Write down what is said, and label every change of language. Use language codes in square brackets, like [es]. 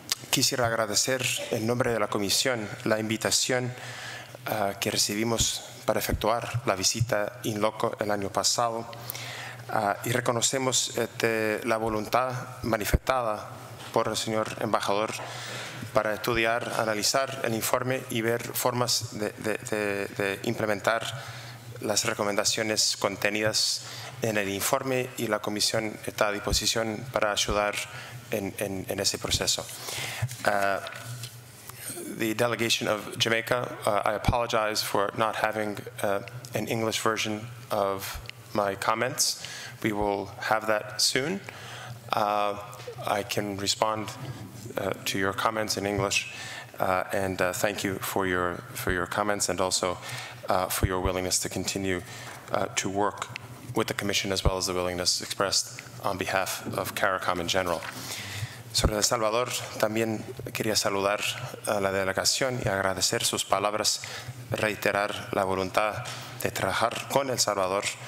[es] Quisiera agradecer en nombre de la comisión la invitación que recibimos para efectuar la visita in loco el año pasado y reconocemos la voluntad manifestada por el señor embajador para estudiar, analizar el informe y ver formas de implementar las recomendaciones contenidas en el informe, y la comisión está a disposición para ayudar en ese proceso. [en] The delegation of Jamaica, I apologize for not having an English version of my comments. We will have that soon. I can respond to your comments in English, and thank you for your comments and also for your willingness to continue to work with the Commission, as well as the willingness expressed on behalf of CARICOM in general. [es] Sobre El Salvador, también quería saludar a la delegación y agradecer sus palabras, reiterar la voluntad de trabajar con El Salvador.